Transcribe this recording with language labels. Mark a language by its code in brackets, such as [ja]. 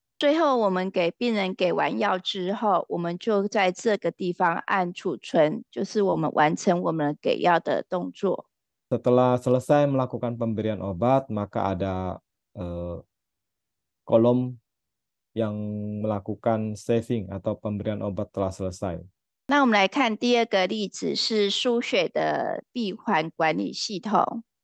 [zh] 最后我们给病人给完药之后，我们就在这个地方按储存，就是我们完成我们给药的动作。 [id] Setelah selesai melakukan pemberian obat, maka ada kolom yang melakukan saving atau pemberian obat telah selesai. [zh] 那我们来看第二个例子是输血的闭环管理系统。